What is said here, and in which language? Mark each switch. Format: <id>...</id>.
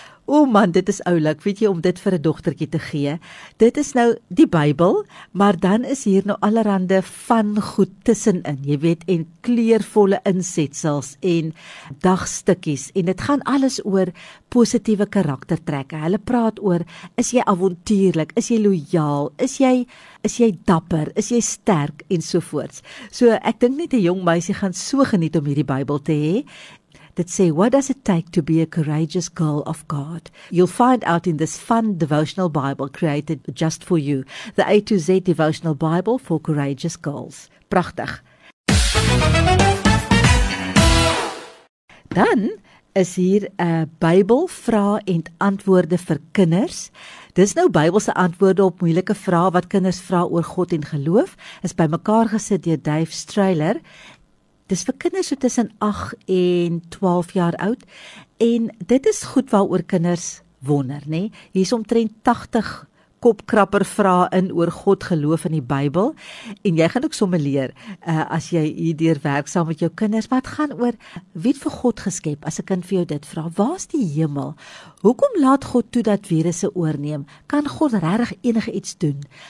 <af>O man, dit is oulik, weet jy, om dit vir 'n dogtertjie te gee. Dit is nou die Bybel, maar dan is hier nou allerhande van goed tussenin, jy weet, en kleurvolle insetsels en dagstukkies. En dit gaan alles oor positiewe karaktertrekke. Hulle praat oor, is jy avontuurlik, is jy loyaal, is jy dapper, is jy sterk, en sovoorts. So ek dink net 'n jong meisie gaan so geniet om hierdie Bybel te hê.</af> <en>That say, what does it take to be a courageous girl of God? You'll find out in this fun devotional Bible created just for you. The A to Z Devotional Bible for Courageous Girls.</en> <af>Prachtig. Dan is hier Bybelvrae en antwoorde vir kinders. Dis nou Bybelse antwoorde op moeilike vrae wat kinders vra oor God en geloof. Is by mekaar gesit deur Dave Strehler. Dis vir kinders so tussen 8 en 12 jaar oud en dit is goed waaroor kinders wonder, nê? Hier is omtrent 80 kopkrapper vrae in oor God, geloof in die Bybel en jy gaan ook somme leer as jy hierdeur werk saam met jou kinders. Wat gaan oor, wie het vir God geskep? As 'n kind vir jou dit vra, waar is die hemel? Hoekom laat God toe dat virusse oorneem? Kan God regtig enige iets doen?</af>